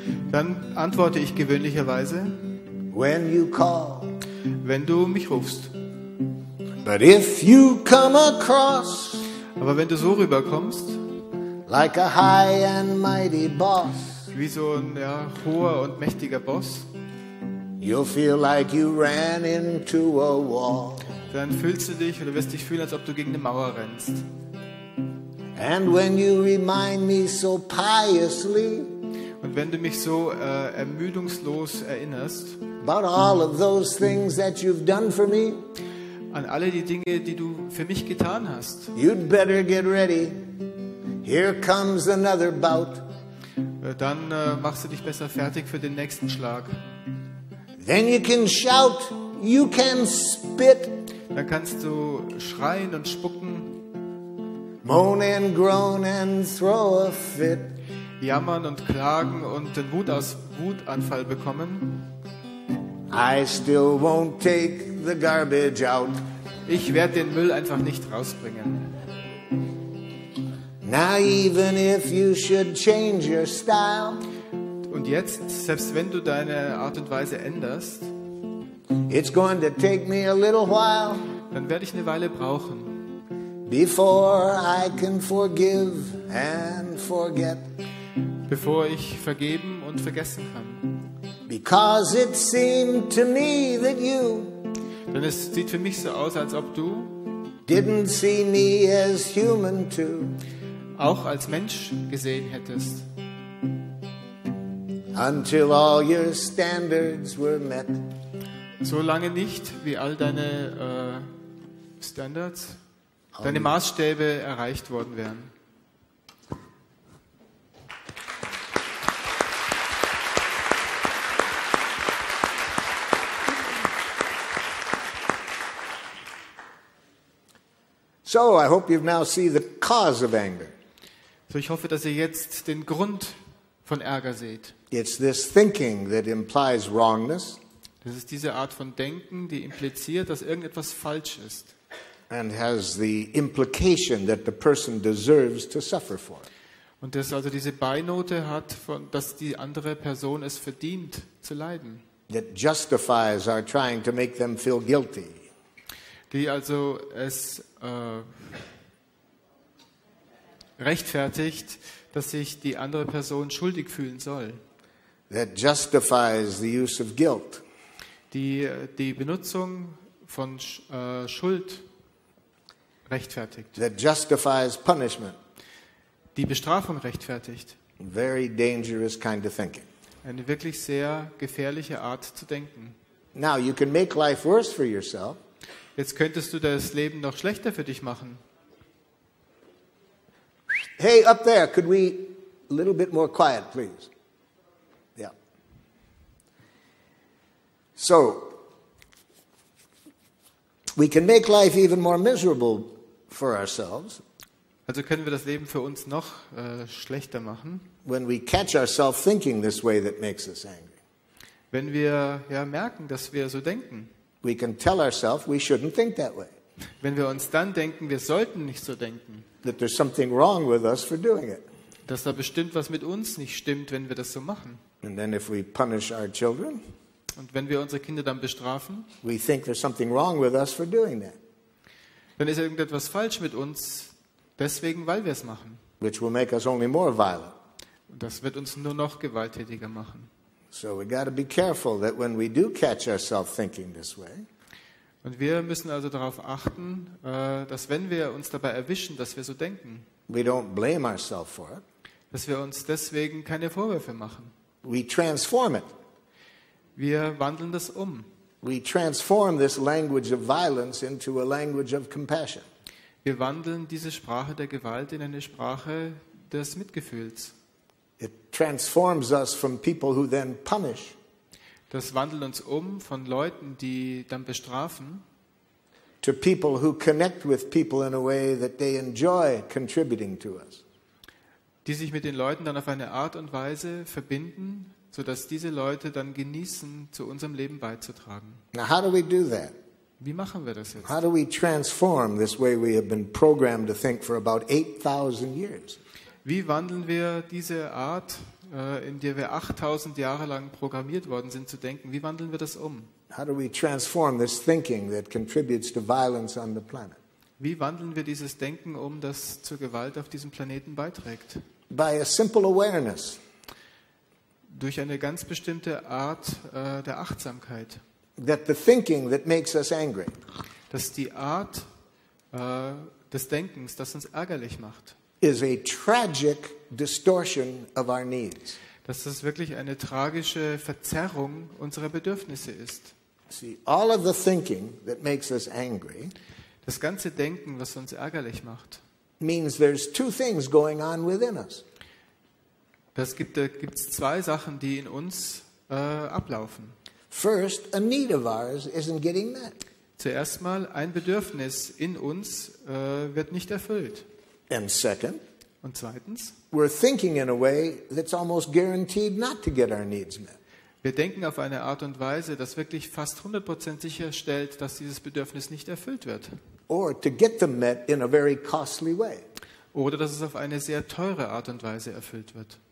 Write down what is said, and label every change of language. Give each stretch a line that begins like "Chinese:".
German: dann antworte ich gewöhnlicherweise,
English: when you call,
German: wenn du mich rufst.
English: But if you come across,
German: aber wenn du so rüberkommst,
English: like a high and mighty boss,
German: wie so ein ja, hoher und mächtiger Boss,
English: you'll feel like you ran into a wall,
German: dann fühlst du dich oder wirst dich fühlen, als ob du gegen eine Mauer rennst.
English: And when you remind me so piously,
German: und wenn du mich so ermüdungslos erinnerst,
English: about all of those things that you've done for me,
German: an alle die Dinge, die du für mich getan hast,
English: you'd better get ready. Here comes another bout.
German: Dann machst du dich besser fertig für den nächsten Schlag.
English: Then you can shout, you can spit.
German: Dann kannst du schreien und spucken.
English: Moan and groan and throw a fit.
German: Jammern und klagen und den Wutanfall bekommen.
English: I still won't take the garbage out.
German: Ich werde den Müll einfach nicht rausbringen.
English: Now even if you should change your style,
German: und jetzt, selbst wenn du deine Art und Weise änderst,
English: it's going to take me a little while,
German: dann werde ich eine Weile brauchen,
English: before I can forgive and forget,
German: bevor ich vergeben und vergessen kann.
English: Because it seemed to me that you,
German: denn es sieht für mich so aus, als ob du
English: didn't see me as human too,
German: auch als Mensch gesehen hättest.
English: Until all your standards were met.
German: So lange nicht, wie all deine Standards, deine Maßstäbe erreicht worden wären.
English: So, I hope you now see the cause of anger.
German: So, ich hoffe, dass ihr jetzt den Grund von Ärger seht.
English: It's this thinking that implies wrongness.
German: Das ist diese Art von Denken, die impliziert, dass irgendetwas falsch ist.
English: And has the implication that the person deserves to suffer for.
German: Und das also diese Beinote hat, von, dass die andere Person es verdient zu leiden.
English: That justifies our trying to make them feel guilty.
German: Die also es rechtfertigt, dass sich die andere Person schuldig fühlen soll.
English: That justifies the use of guilt.
German: Die Benutzung von Schuld rechtfertigt.
English: That justifies punishment.
German: Die Bestrafung rechtfertigt.
English: Very dangerous kind of thinking.
German: Eine wirklich sehr gefährliche Art zu denken.
English: Now you can make life worse for yourself.
German: Jetzt könntest du das Leben noch schlechter für dich machen.
English: Hey, up there, could we a little bit more quiet, please? Yeah. So, we can make life even more miserable for ourselves.
German: Also können wir das Leben für uns noch schlechter machen.
English: When we catch ourselves thinking this way that makes us angry.
German: Wenn wir ja merken, dass wir so denken.
English: We can tell ourselves we shouldn't think that way.
German: Wenn wir uns dann denken, wir sollten nicht so denken.
English: That there's something wrong with us for doing it.
German: Dass da bestimmt was mit uns nicht stimmt, wenn wir das so machen.
English: And then if we punish our children.
German: Und wenn wir unsere Kinder dann bestrafen.
English: We think there's something wrong with us for doing that.
German: Dann ist irgendetwas falsch mit uns, deswegen, weil wir es machen.
English: Which will make us only more violent.
German: Das wird uns nur noch gewalttätiger machen.
English: So we got to be careful that when we do catch ourselves thinking this way.
German: Und wir müssen also darauf achten, dass wenn wir uns dabei erwischen, dass wir so denken.
English: We don't blame ourselves for it.
German: Dass wir uns deswegen keine Vorwürfe machen.
English: We transform it.
German: Wir wandeln das um.
English: We transform this language of violence into a language of compassion.
German: Wir wandeln diese Sprache der Gewalt in eine Sprache des Mitgefühls.
English: It transforms us from people who then punish.
German: Das wandelt uns um von Leuten, die dann bestrafen.
English: To people who connect with people in a way that they enjoy contributing to us.
German: Die sich mit den Leuten dann auf eine Art und Weise verbinden, so dass diese Leute dann genießen, zu unserem Leben beizutragen.
English: Now how do we do that?
German: Wie machen wir das jetzt?
English: How do we transform this way we have been programmed to think for about 8,000 years?
German: Wie wandeln wir diese Art, in der wir 8000 Jahre lang programmiert worden sind zu denken, wie wandeln wir das um?
English: How do we transform this thinking that contributes to violence on the planet?
German: Wie wandeln wir dieses Denken um, das zur Gewalt auf diesem Planeten beiträgt?
English: By a simple awareness.
German: Durch eine ganz bestimmte Art der Achtsamkeit.
English: That the thinking that makes us angry.
German: Dass die Art des Denkens, das uns ärgerlich macht.
English: Is a tragic distortion of our needs.
German: Dass das wirklich eine tragische Verzerrung unserer Bedürfnisse ist.
English: See, all of the thinking that makes us angry.
German: Das ganze Denken, was uns ärgerlich macht.
English: Means there's two things going on within us.
German: Das gibt, da gibt es zwei Sachen, die in uns ablaufen.
English: First, a need of ours isn't getting met.
German: Zuerst mal ein Bedürfnis in uns wird nicht erfüllt.
English: And second,
German: und zweitens,
English: we're thinking in a way that's almost guaranteed not to get our needs met.
German: Wir denken auf eine Art und Weise, das wirklich fast 100% sicherstellt, dass dieses Bedürfnis nicht erfüllt wird.
English: Or to get them met in a very costly way.
German: Oder dass es auf eine sehr teure Art und Weise erfüllt wird.